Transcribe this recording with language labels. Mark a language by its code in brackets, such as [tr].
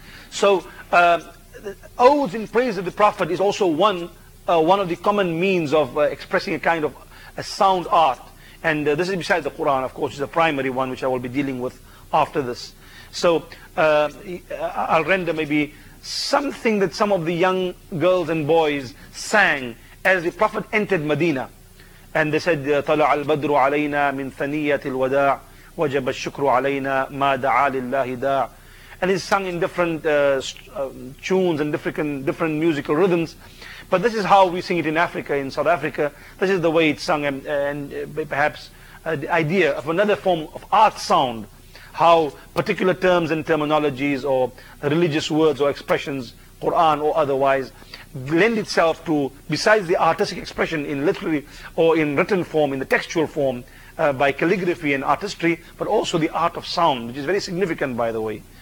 [en] So odes in praise of the Prophet is also one of the common means of expressing a kind of a sound art. And this is besides the Quran, of course, is a primary one which I will be dealing with after this. So I'll render maybe something that some of the young girls and boys sang as the Prophet entered Medina. And they said, [ar] طَلَعَ الْبَدْرُ عَلَيْنَا مِنْ ثَنِيَّةِ الْوَدَاعِ وَجَبَ الشُّكْرُ عَلَيْنَا مَا دَعَى لِلَّهِ دَاعِ. [en] And it's sung in different tunes and different musical rhythms. But this is how we sing it in Africa, in South Africa. This is the way it's sung, and perhaps the idea of another form of art sound, how particular terms and terminologies or religious words or expressions, Quran or otherwise, lend itself to, besides the artistic expression in literary or in written form, in the textual form, by calligraphy and artistry, but also the art of sound, which is very significant, by the way.